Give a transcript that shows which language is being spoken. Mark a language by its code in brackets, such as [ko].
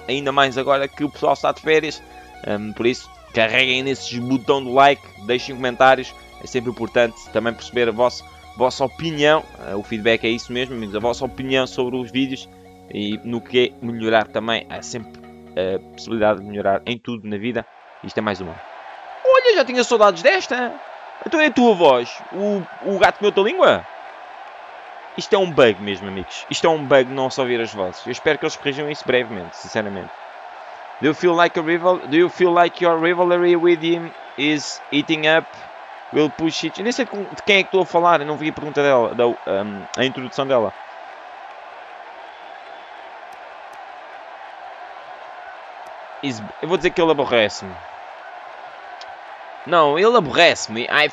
[pt] Ainda mais agora que o pessoal está de férias. Por isso, carreguem nesses botão do like, deixem comentários, é sempre importante também perceber a vossa opinião, o feedback é isso mesmo, amigos, a vossa opinião sobre os vídeos e no que é melhorar também, há sempre a possibilidade de melhorar em tudo na vida, isto é mais uma. Olha, já tinha saudades desta, então é a tua voz, o gato comeu a tua língua? Isto é um bug mesmo, amigos, isto é um bug não só ouvir as vozes, eu espero que eles corrijam isso brevemente, sinceramente. [en] Do you feel like your rivalry with him is eating up Will push it. [pt] Eu nem sei de quem é que estou a falar, eu não vi a pergunta dela, a introdução dela. Eu vou dizer que ele aborrece-me. Não, ele aborrece-me.